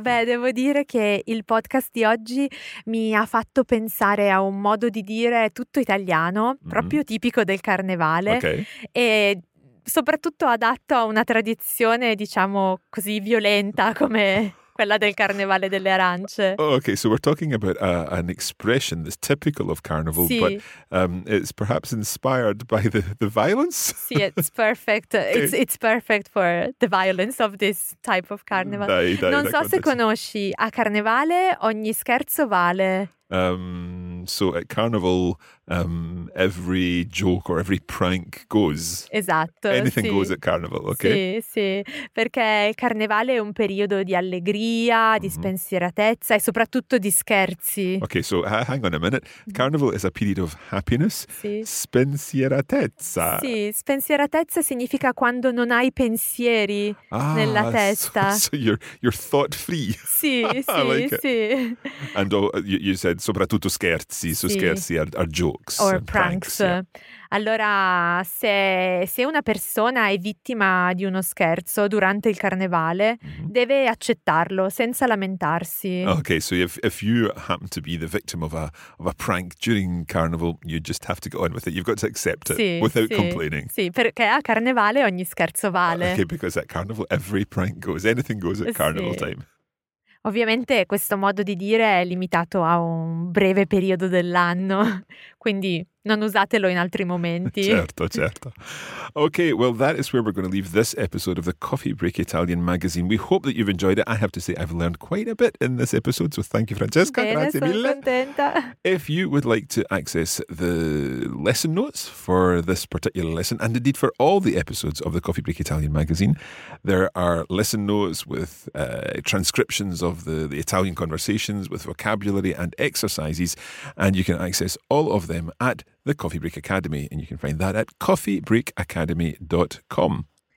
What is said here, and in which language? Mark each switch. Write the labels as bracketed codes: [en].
[it] Beh, devo dire che il podcast di oggi mi ha fatto pensare a un modo di dire tutto italiano, proprio tipico del carnevale. [en] Okay. [it] E soprattutto adatto a una tradizione, diciamo così, violenta come quella del carnevale delle arance. [en] Oh, okay, so we're talking about an expression that's typical of carnival, [it] sì. [en] But it's perhaps inspired by the violence. Sì, it's perfect. Okay. It's perfect for the violence of this type of carnival. [it] Dai, non so se conosci, a carnevale ogni scherzo vale. [en] So at carnival, every joke or every prank goes. [it] Esatto. [en] Anything goes at carnival, okay? [it] Sì, sì. Perché il carnevale è un periodo di allegria, di spensieratezza e soprattutto di scherzi. [en] Okay, so hang on a minute. Carnival is a period of happiness. [it] Sì. Spensieratezza. Sì, spensieratezza significa quando non hai pensieri nella testa. [en] So you're thought free. [it] Sì, sì, [en] like [it] sì. [en] And you said [it] soprattutto scherzi. [en] Sì, su scherzi are jokes. Or pranks. Yeah. [it] Allora, se una persona è vittima di uno scherzo durante il carnevale, deve accettarlo senza lamentarsi. [en] Okay, so if you happen to be the victim of a prank during carnival, you just have to go on with it. You've got to accept it without complaining. Sì, perché a carnevale ogni scherzo vale. Okay, because at carnival every prank goes, anything goes at carnival time. [it] Ovviamente questo modo di dire è limitato a un breve periodo dell'anno, quindi non usatelo in altri momenti. Certo, certo. [en] Okay, well, that is where we're going to leave this episode of the Coffee Break Italian magazine. We hope that you've enjoyed it. I have to say I've learned quite a bit in this episode, so thank you, Francesca. [it] Bene, grazie sono mille. Contenta. [en] If you would like to access the lesson notes for this particular lesson, and indeed for all the episodes of the Coffee Break Italian magazine, there are lesson notes with transcriptions of the Italian conversations, with vocabulary and exercises, and you can access all of them at the Coffee Break Academy, and you can find that at coffeebreakacademy.com.